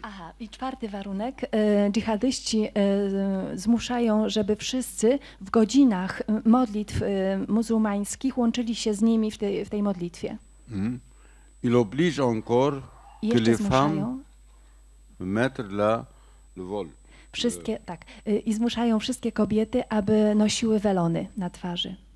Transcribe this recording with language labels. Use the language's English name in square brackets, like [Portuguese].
[Polish] Aha, i czwarty warunek, dżihadyści zmuszają, żeby wszyscy w godzinach modlitw muzułmańskich łączyli się z nimi w tej modlitwie. Mm-hmm. [French] Il oblige encore que les femmes mettre la voile. [Polish] Wszystkie, tak. I zmuszają wszystkie kobiety, aby nosiły welony na twarzy.